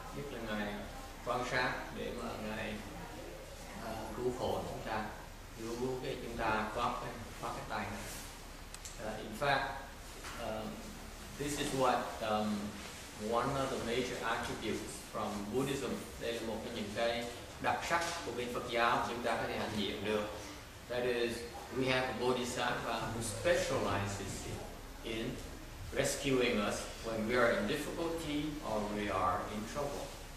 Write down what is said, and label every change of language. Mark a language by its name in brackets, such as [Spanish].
[Vietnamese] Nhất là ngài quan sát để mà ngài cứu khổ chúng ta, cứu cái chúng ta thoát cái tai này. [English] In fact, this is what one of the major attributes from Buddhism. [Vietnamese] Đây là một cái những cái đặc sắc của bên Phật giáo chúng ta có thể hành hiện được. [English] That is, we have a Bodhisattva who specializes in rescuing us when we are in difficulty or we are in trouble.